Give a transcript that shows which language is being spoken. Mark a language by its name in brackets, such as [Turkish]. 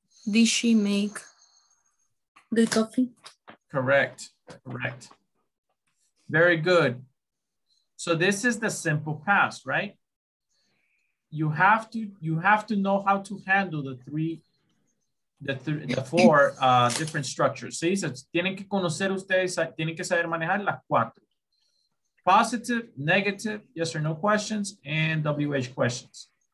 [English] Did she make good coffee? Correct. Very good. So this is the simple past, right? You have to know how to handle the four different structures. [Spanish] ¿Sí? Tienen que conocer ustedes, tienen que saber manejar las cuatro. [English] Positive, negative, yes or no questions, and WH questions.